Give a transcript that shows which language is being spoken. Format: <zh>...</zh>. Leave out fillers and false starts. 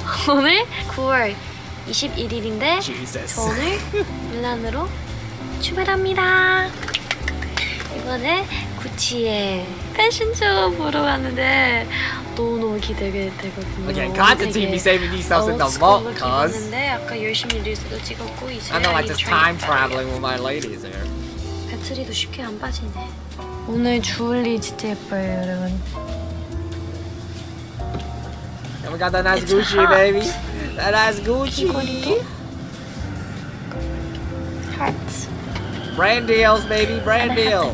<ko>오늘 9월 21일인데 저는 밀란으로 출발합니다. 이번에 구찌의 패션쇼 보러 왔는데 너무너무 기대가 되거든요.</ko> <en>Okay, God, the team is saving these stuff in the vault, cuz.</en> <ko>아까 열심히 릴스도 찍었고 이제</ko> <en>I know, I just time traveling with my ladies here.</en> <ko>배터리도 쉽게 안 빠지네. 오늘 주얼리 진짜 예뻐요, 여러분.</ko> <en>And we got that nice Gucci, baby. That nice Gucci. Hearts. Brand deals, baby. Brand deals.</en>